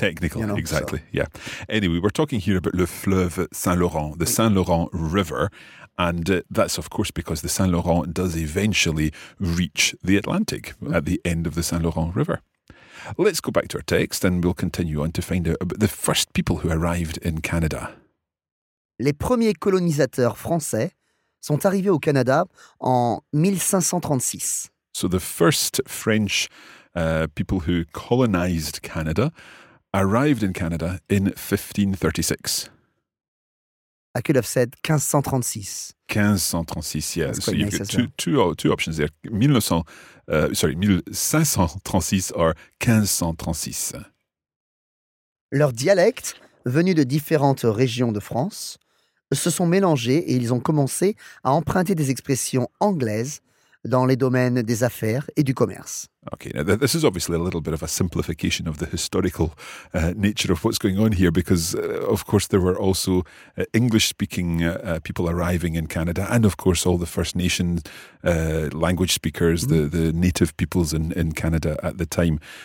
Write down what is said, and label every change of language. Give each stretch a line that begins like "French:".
English: Technical, you know, exactly, so. Yeah. Anyway, we're talking here about le fleuve Saint-Laurent, the Saint-Laurent River. And that's, of course, because the Saint-Laurent does eventually reach the Atlantic at the end of the Saint-Laurent River. Let's go back to our text and we'll continue on to find out about the first people who arrived in Canada.
French: Les premiers colonisateurs français sont arrivés au Canada en 1536.
English: So the first French people who colonized Canada arrived in Canada in 1536. I could have said 1536. 1536, yeah. That's so you've nice got two options there. 1536 or 1536.
French: Leurs dialectes, venus de différentes régions de France, se sont mélangés et ils ont commencé à emprunter des expressions anglaises dans les domaines des affaires et du commerce.
English: Okay, now this is obviously a little bit of a simplification of the historical nature of what's going on here, because of course there were also English-speaking people arriving in Canada, and of course all the First Nations language speakers, mm-hmm. the native peoples in Canada at the time.